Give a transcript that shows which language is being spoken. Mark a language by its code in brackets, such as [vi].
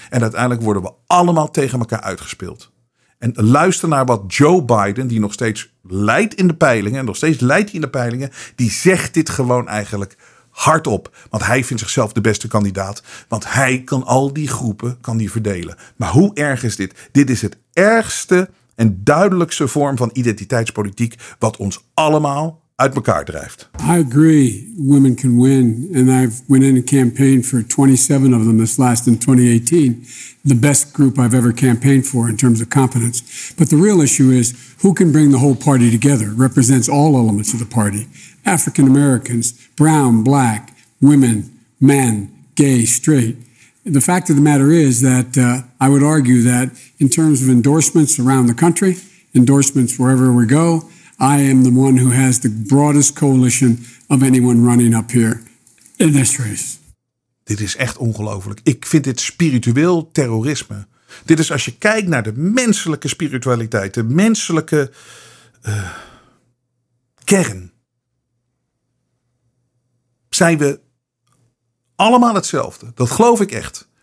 [nl] En uiteindelijk worden we allemaal tegen elkaar uitgespeeld. En luister naar wat Joe Biden, die nog steeds leidt in de peilingen, die zegt dit gewoon eigenlijk hardop. Want hij vindt zichzelf de beste kandidaat. Want hij kan al die groepen kan die verdelen. Maar hoe erg is dit? Dit is het ergste en duidelijkste vorm van identiteitspolitiek wat ons allemaal uit elkaar drijft. [en] I agree women can win. And I've went in a campaign for 27 of them this last in 2018. The best group I've ever campaigned for in terms of competence. But the real issue is who can bring the whole party together, represents all elements of the party. African Americans, brown, black, women, men, gay, straight. The fact of the matter is that I would argue that in terms of endorsements around the country, endorsements wherever we go, I am the one who has the broadest coalition of anyone running up here in this race. [nl] Dit is echt ongelooflijk. Ik vind dit spiritueel terrorisme. Dit is als je kijkt naar de menselijke spiritualiteit, de menselijke kern. Zijn we allemaal hetzelfde? Dat geloof ik echt.